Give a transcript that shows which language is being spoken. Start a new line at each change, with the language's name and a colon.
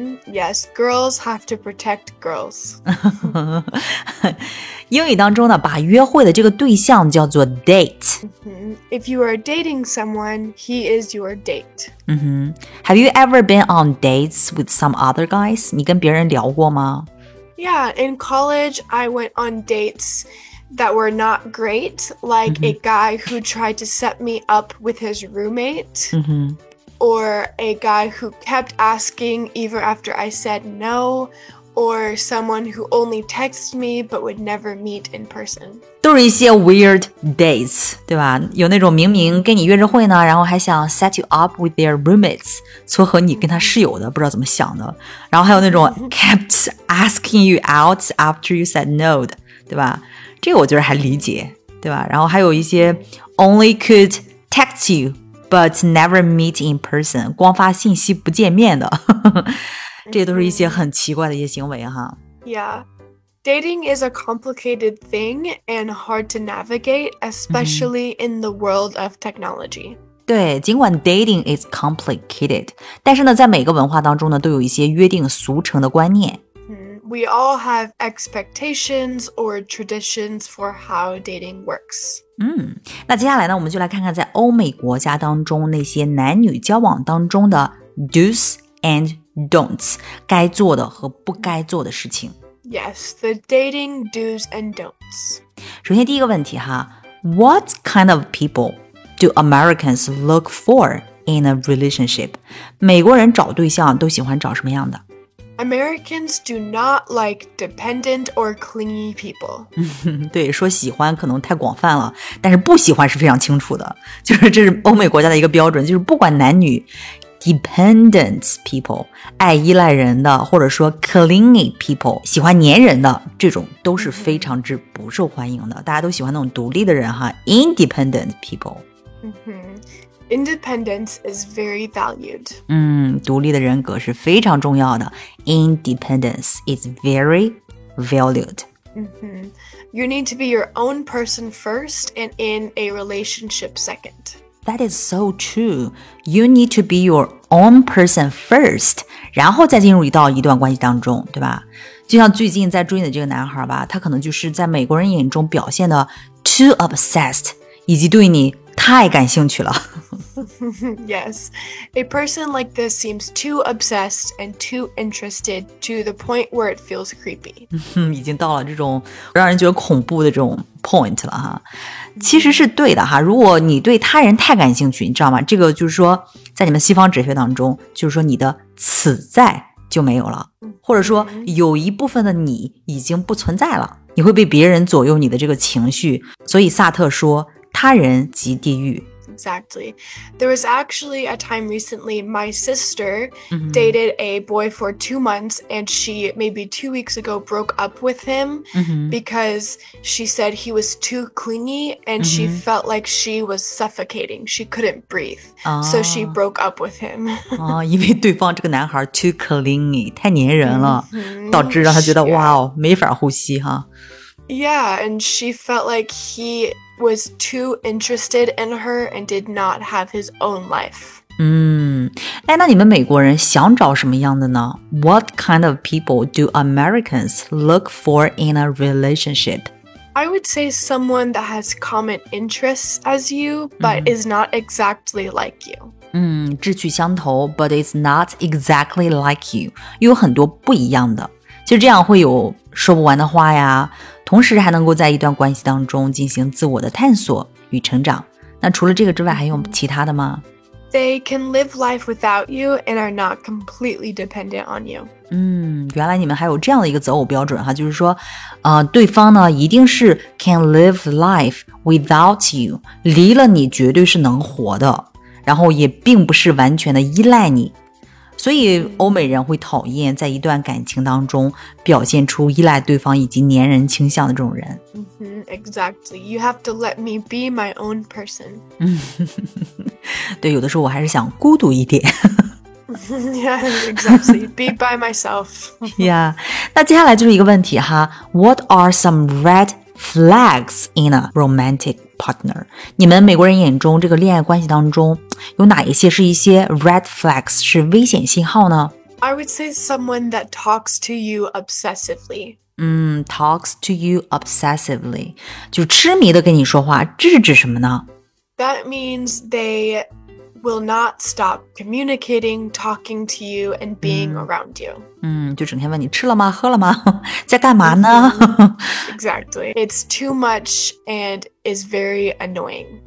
English: Yes, girls have to protect girls.
Chinese: 英语当中呢把约会的这个对象叫做 date.
English: If you are dating someone, he is your date. Have you ever been on dates with some other guys?
Chinese: 你跟别人聊过吗
English: Yeah, in college, I went on dates that were not great, like a guy who tried to set me up with his roommate, or a guy who kept asking even after I said no, or someone who only texts me but would never meet in person.
Chinese: 都是一些
English: weird dates,
Chinese: 对吧？有那种明明跟你约着会呢，然后还想
English: set you up with their roommates,
Chinese: 撮合你跟他室友的，不知道怎么想的。然后还有那种
English: kept asking you out after you said no,
Chinese: 对吧？这个我觉得还理解，对吧？然后还有一些
English: only could text you,But never meet in person,
Chinese: 光发信息不见面的。这都是一些很奇怪的一些行为哈。
English: Yeah, dating is a complicated thing and hard to navigate, especially in the world of technology.
Chinese: 对，尽管
English: dating is complicated,
Chinese: 但是呢，在每个文化当中呢，都有一些约定俗成的观念。
English: We all have expectations or traditions for how dating works.
Chinese: 那接下来呢，我们就来看看在欧美国家当中那些男女交往当中的
English: do's and don'ts,
Chinese: 该做的和不该做的事情。
English: Yes, the dating do's and don'ts.
Chinese: 首先第一个问题哈，
English: What kind of people do Americans look for in a relationship?
Chinese: 美国人找对象都喜欢找什么样的？
English: Americans do not like dependent or clingy people.
Chinese: 对，说喜欢可能太广泛了，但是不喜欢是非常清楚的。就是这是欧美国家的一个标准，就是不管男女 ，
English: dependent people
Chinese: 爱依赖人的，或者说
English: clingy people
Chinese: 喜欢黏人的，这种都是非常之不受欢迎的。大家都喜欢那种独立的人哈 ，
English: independent people. Independence is very valued.
Chinese: 独立的人格是非常重要的。
English: Independence is very valued. You need to be your own person first and in a relationship second. That is so true. You need to be your own person first,
Chinese: 然后再进入到一段关系当中，对吧？就像最近在追的这个男孩吧，他可能就是在美国人眼中表现的
English: too obsessed,
Chinese: 以及对你太感兴趣了。
English: Yes, a person like this seems too obsessed and too interested to the point where it feels creepy.
Chinese: 已经到了这种让人觉得恐怖的这种 point 了哈。其实是对的哈，如果你对他人太感兴趣，你知道吗？这个就是说，在你们西方哲学当中，就是说你的此在就没有了，或者说有一部分的你已经不存在了，你会被别人左右你的这个情绪。所以萨特说，他人即地狱。
English: Exactly. There was actually a time recently my sister dated a boy for 2 months and she maybe 2 weeks ago broke up with him because she said he was too clingy and she felt like she was suffocating. She couldn't breathe. So she broke up with him.
Chinese: 因为对方这个男孩
English: too clingy,
Chinese: 太黏人了导致让他觉得哇哦没法呼吸哈。
English: Yeah, and she felt like he... was too interested in her and did not have his own life.
Chinese: 那你们美国人想找什么样的呢？
English: What kind of people do Americans look for in a relationship? I would say someone that has common interests as you, but is not exactly like you.
Chinese: 志趣相投
English: but it's not exactly like you.
Chinese: 有很多不一样的。就这样会有说不完的话呀，同时还能够在一段关系当中进行自我的探索与成长。那除了这个之外，还有其他的吗？
English: They can live life without you and are not completely dependent on you.
Chinese: 原来你们还有这样的一个择偶标准哈，就是说，对方呢一定是
English: can live life without you,
Chinese: 离了你绝对是能活的，然后也并不是完全的依赖你。所以欧美人会讨厌在一段感情当中表现出依赖对方以及黏人倾向的这种人。
English: Exactly. You have to let me be my own person.
Chinese: 对，有的时候我还是想孤独一点。
English: Yeah, exactly. Be by myself. Yeah.
Chinese: 那接下来就是一个问题哈。
English: What are some red flags in a romantic partner?
Chinese: 你们美国人眼中这个恋爱关系当中有哪一些是一些 red flags 是危险信号呢？
English: I would say someone that talks to you obsessively. Talks to you obsessively.
Chinese: 就痴迷的跟你说话，这是指什么呢？
English: That means they will not stop communicating, talking to you, and being around you.
Chinese: 就整天问你吃了吗？喝了吗？在干嘛呢？
English: Exactly. It's too much and is very annoying.